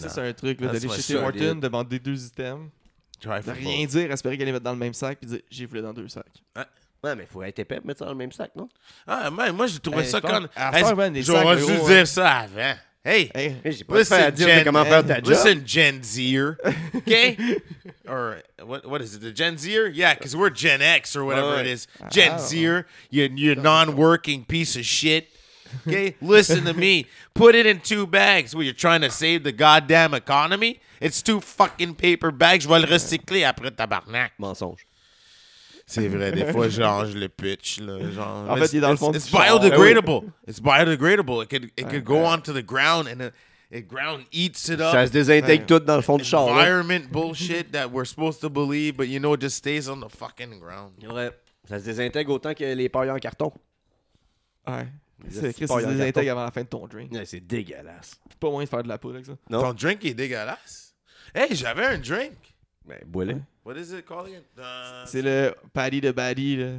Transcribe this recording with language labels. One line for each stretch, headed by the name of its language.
French: Ouais, ça, c'est un truc là, d'aller chez Morton, demander deux items, de rien dire, espérer qu'elle les mette dans le même sac, puis dire j'ai voulu dans deux sacs. Ouais, mais il faut être épais pour mettre ça dans le même sac, non? Ah, mais moi, j'ai trouvé ça quand. J'aurais dû dire ça avant. Hey, j'ai pas fait à dire comment faire ta job.
English: Listen, Gen Z-er. Okay? Or, what is it? The Gen Z-er? Yeah, because we're Gen X or whatever it is. Gen Z-er, you non-working piece of shit. Okay? Listen to me. Put it in two bags. Well, you're trying to save the goddamn economy? It's two fucking paper bags.
French: Je vais le recycler après, tabarnak. Mensonge. C'est vrai, des fois, genre, je le pitch, là, genre... En fait, il est dans le fond
English: It's biodegradable. It's biodegradable. It could go onto the ground, and the ground eats it up.
French: Ça se désintègre tout dans le fond du char.
English: Environment bullshit that we're supposed to believe, but you know, it just stays on the fucking ground.
French: Ouais, ça se désintègre autant que les pailles en carton. Ouais. C'est ça se désintègre avant la fin de ton drink. Ouais, c'est dégueulasse. C'est pas moyen de faire de la poudre avec ça. Non. Ton drink est dégueulasse. Hey, j'avais un drink. Ben, bois-le.
English: What is it called again?
French: C'est le Paddy de Baddy.